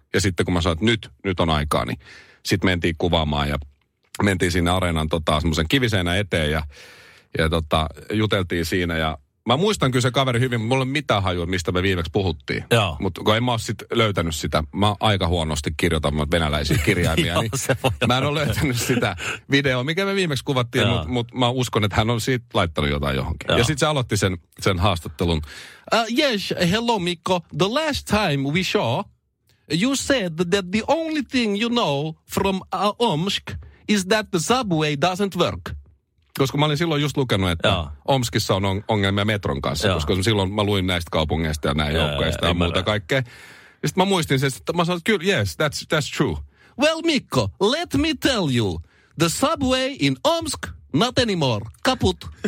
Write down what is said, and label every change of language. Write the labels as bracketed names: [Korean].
[Finnish] Ja sitten kun mä sanoin, että nyt on aikaa, niin sitten mentiin kuvaamaan ja mentiin siinä areenan semmoisen kiviseinä eteen ja juteltiin siinä ja mä muistan kyllä se kaveri hyvin, mutta mulla ei ole mitään hajua, mistä me viimeksi puhuttiin. Mutta kun en mä ole sitten löytänyt sitä, mä aika huonosti kirjoitan venäläisiä kirjaimia, joo, niin mä en ole löytänyt sitä videoa, mikä me viimeksi kuvattiin, mutta mä uskon, että hän on siitä laittanut jotain johonkin. Ja sitten se aloitti sen haastattelun. [English] Yes, hello Mikko, the last time we saw, you said that the only thing you know from Omsk is that the subway doesn't work. [Finnish] Koska mä olin silloin just lukenut, että Omskissa on ongelmia metron kanssa. Joo. Koska silloin mä luin näistä kaupungeista ja näin joukkoista ja muuta kaikkea. Ja sitten mä muistin sen, että mä sanoin, että kyllä, [English] yes, that's true. Well, Mikko, let me tell you, the subway in Omsk, not anymore, kaput.